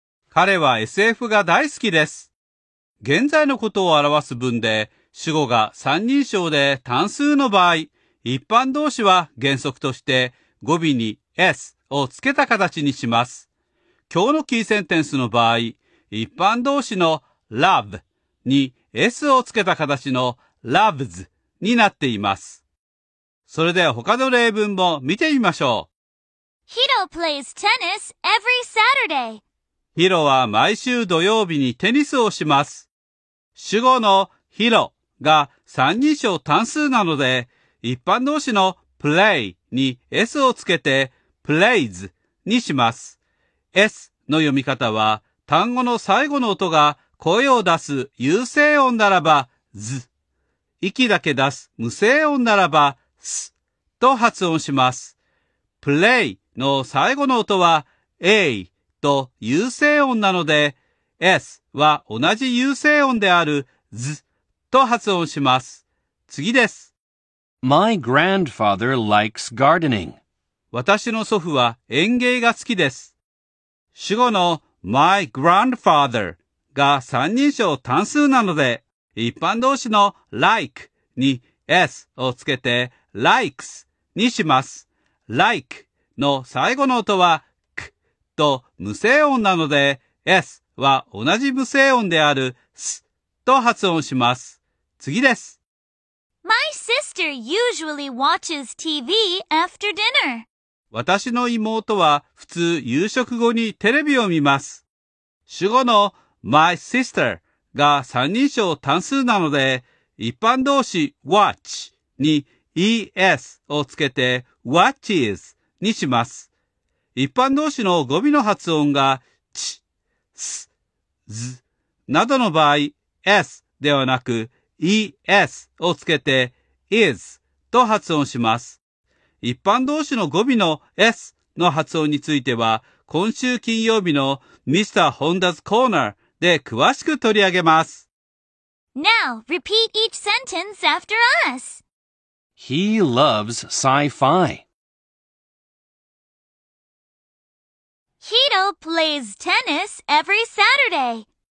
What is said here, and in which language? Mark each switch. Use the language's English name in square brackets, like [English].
[Japanese] 彼は SF が大好きです。現在のことを表す文で、主語が三人称で単数の場合、一般動詞は原則として語尾に S をつけた形にします。今日のキーセンテンスの場合、一般動詞の love に S をつけた形の loves になっています。それでは他の例文も見てみましょう。 [English] Hiro plays tennis every Saturday. [Japanese] Hiro は毎週土曜日にテニスをします。主語の Hiro が三人称単数なので、一般動詞の play に S をつけて plays にします。 S の読み方は単語の最後の音が声を出す有声音ならば z、息だけ出す無声音ならば s と発音します。 play の最後の音は a と有声音なので s は同じ有声音である z と発音します。次です。 [English] My grandfather likes gardening. [Japanese] 私の祖父は園芸が好きです。主語の [English] my grandfather [Japanese] が三人称単数なので、一般動詞の like に s をつけて likes にします。 like の最後の音は k と無声音なので、s は同じ無声音である s と発音します。次です。 [English] My sister usually watches TV after dinner. [Japanese] 私の妹は普通夕食後にテレビを見ます。主語の [English] my sister [Japanese] が三人称単数なので、一般動詞 watch に es をつけて watches にします。一般動詞の語尾の発音が ch、s、z などの場合、s ではなく es をつけて is と発音します。一般動詞の語尾の s の発音については、今週金曜日の Mr. Honda's Corner で詳しく取り上げます。 [English] Now, repeat each sentence after us. He loves sci-fi. Hiro plays tennis every Saturday.